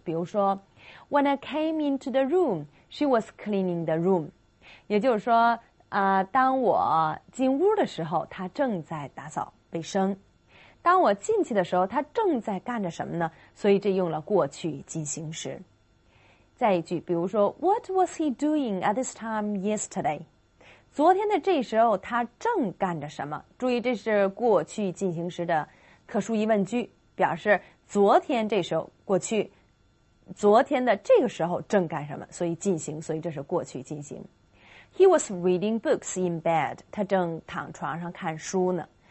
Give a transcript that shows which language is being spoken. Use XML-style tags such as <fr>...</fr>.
<zh>比如说</zh> <en>When I came into the room,</en> <zh>she was cleaning the room， 也就是说当我进屋的时候，他正在打扫卫生。当我进去的时候，他正在干着什么呢？所以这用了过去进行时。再一句，比如说</zh> <en>What was he doing at this time yesterday?</en> <zh>昨天的这时候他正干着什么？注意这是过去进行时的可数疑问句，表示昨天这时候过去，昨天的这个时候正干什么？所以进行，所以这是过去进行。</zh> <en>He was reading books in bed.</en> <zh>他正躺床上看书呢。</zh>